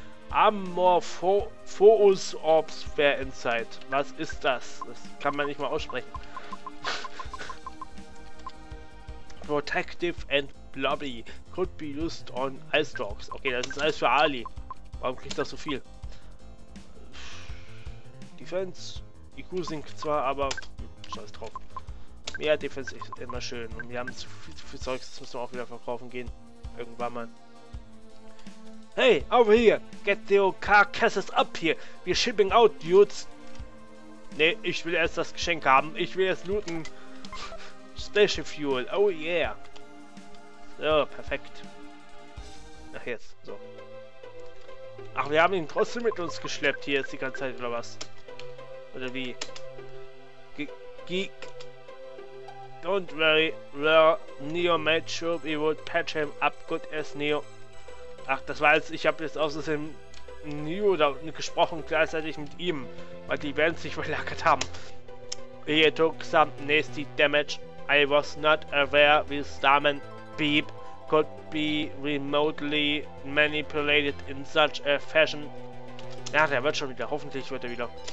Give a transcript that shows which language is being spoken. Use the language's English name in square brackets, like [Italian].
[English] Amorphous Orbs Fair Insight. [German] Was ist das? Das kann man nicht mal aussprechen. [English] Protective and Blobby. Could be used on Ice Dogs. [German] Okay, das ist alles für Ali. Warum kriegt das so viel? Defense. IQ sinkt zwar, aber. Scheiß drauf. Mehr Defense ist immer schön. Und wir haben zu viel Zeugs. Das müssen wir auch wieder verkaufen gehen. Irgendwann mal. [English] Hey, over here! Get the car cases up here! We're shipping out, dudes! [German] Nee, ich will erst das Geschenk haben. Ich will erst looten. Special Fuel. Oh yeah! So, perfekt. Ach, jetzt. So. Ach, wir haben ihn trotzdem mit uns geschleppt hier jetzt die ganze Zeit, oder was? Oder wie? [English] Don't worry, we're Neo made sure we would patch him up good as Neo. [German] Ach, das war jetzt, ich habe jetzt außerdem Neo da unten gesprochen, gleichzeitig mit ihm, weil die werden sich verlagert haben. [English] He took some nasty damage. I was not aware with Starman Beep could be remotely manipulated in such a fashion. [German] Ja, der wird schon wieder, hoffentlich wird er wieder.